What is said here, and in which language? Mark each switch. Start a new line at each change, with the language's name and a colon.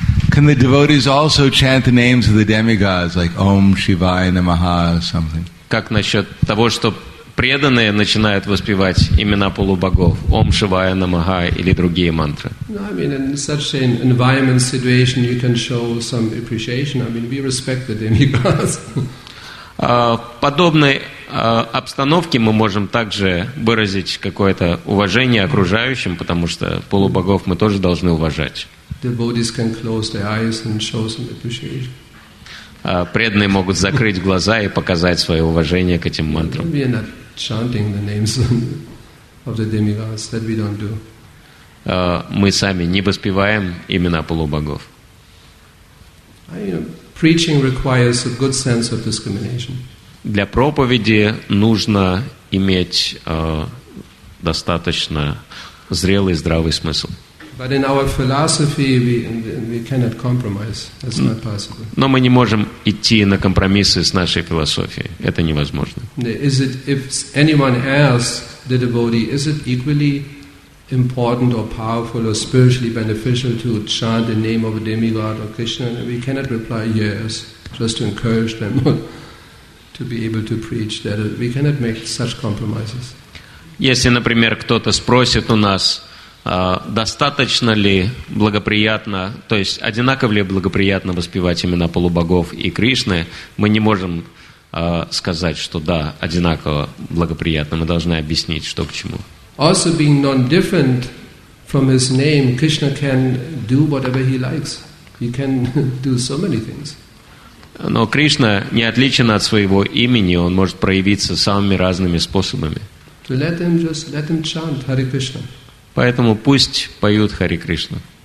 English: Can the devotees also chant the names of the demigods, like Om Shivaya Namaha or something?
Russian: Как насчет того, что преданные начинают воспевать имена полубогов, Ом Шивая Намаха или другие мантры?
English: No, I mean, in such an environment situation, you can show some appreciation. I mean, we respect the demigods.
Russian: Подобной обстановке мы можем также выразить какое-то уважение окружающим, потому что полубогов мы тоже должны уважать.
English: Devotees can close their eyes and show some appreciation.
Russian: Преданные могут закрыть глаза и показать свое уважение к этим мантрам.
English: We are not chanting the names of the demigods, that we don't do.
Russian: Мы сами не воспеваем имена полубогов.
English: Preaching requires a good sense of discrimination.
Russian: для проповеди нужно иметь достаточно зрелый, здравый смысл.
English: But in our philosophy, we cannot compromise. That's not possible.
Russian: Но мы не можем идти на компромиссы с нашей философией. Это невозможно.
English: Is it, if anyone else, the devotee, is it equally important or powerful or spiritually beneficial to chant the name of a demigod or Krishna? We cannot reply yes, just to encourage them to be able to preach that. We cannot make such compromises.
Russian: Если, например, кто-то спросит у нас, достаточно ли благоприятно, то есть одинаково ли благоприятно воспевать имена полубогов и Кришны, мы не можем сказать, что да, одинаково благоприятно. Мы должны объяснить, что к чему.
English: Also being non-different from his name, Krishna can do whatever he likes. He can do so many things.
Russian: Но Кришна не отличен от своего имени, он может проявиться самыми разными способами.
English: So let them just let them chant Hare Krishna.
Russian: Поэтому пусть поют Хари Кришну.